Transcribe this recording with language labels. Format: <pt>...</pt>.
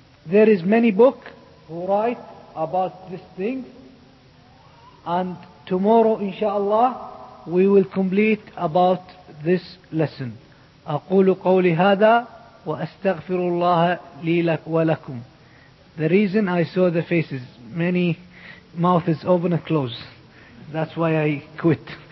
<en>There is many book who write about this thing, and tomorrow inshallah we will complete about this lesson.</en> <ar>أقول قولي هذا وأستغفر الله لي ولكم.</ar> <en>The reason I saw the faces, many mouths open and close, that's why I quit.</en>